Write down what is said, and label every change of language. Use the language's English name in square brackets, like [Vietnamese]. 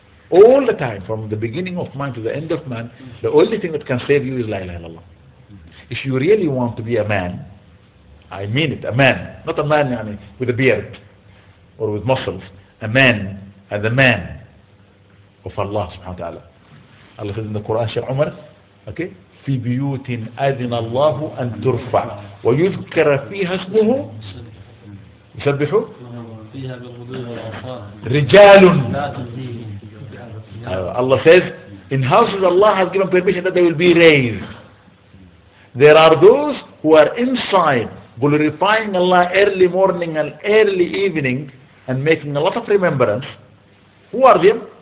[English] All the time, from the beginning of man to the end of man, the only thing that can save you is La ilaha illallah. If you really want to be a man, I mean it, a man, not a man I mean, with a beard or with muscles, a man as a man of Allah subhanahu wa ta'ala. Allah says in the Quran, Shaykh Umar, okay, [Arabic] في بيوت أذن الله أن ترفع ويذكر فيها اسمه يسبحوا فيها بالغدو والآصال رجال. [English] Allah says, in houses Allah has given permission that they will be raised. There are those who are inside glorifying Allah early morning and early evening and making a lot of remembrance. Who are them?